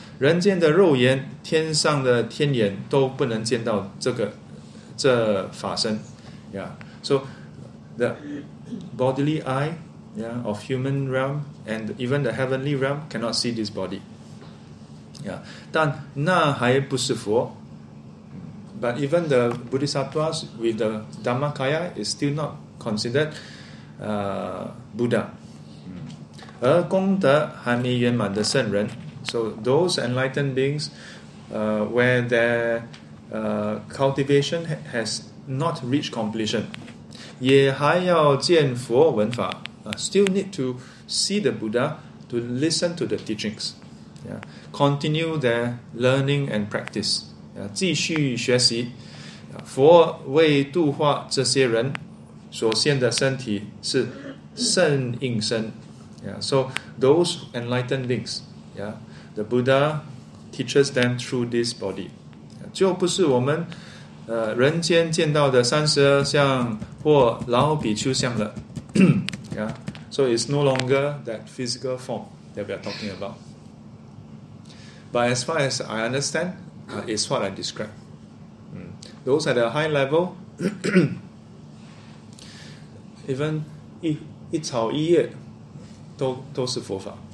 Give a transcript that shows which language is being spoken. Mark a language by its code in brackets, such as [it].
[zh] 人间的肉眼, 天上的天眼, 都不能见到这个法身. [en] Yeah. So, the bodily eye, yeah, of human realm and even the heavenly realm cannot see this body. [zh] Yeah. 但那还不是佛. [en] But even the Bodhisattvas with the Dhammakaya is still not considered Buddha. [zh] 而功德还没圆满的圣人. [en] So those enlightened beings where their cultivation has not reached completion. [zh] 也还要见佛闻法. [en] Still need to see the Buddha to listen to the teachings. Yeah. Continue their learning and practice. [zh] 继续学习, 佛为度化这些人所现的身体是圣应身. [en] Yeah, so those enlightened beings, yeah, the Buddha teaches them through this body. [zh] 就不是我们 人间见到的三十二相或老比丘相了. [en] Yeah, so it's no longer that physical form that we are talking about. But as far as I understand, is what I described. Those at a high level, even [zh] 一草一叶, 都是佛法.